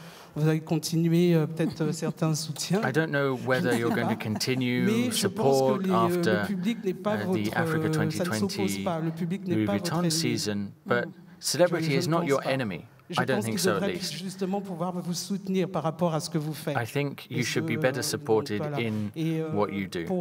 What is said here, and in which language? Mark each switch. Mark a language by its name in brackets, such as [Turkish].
[English] I don't know whether you're going to continue support after the Africa 2020 Louis Vuitton season, but celebrity is not your enemy. I don't think so, at least. [French] Justement pouvoir vous soutenir par rapport à ce que vous faites. [English] I think you should be better supported in what you do.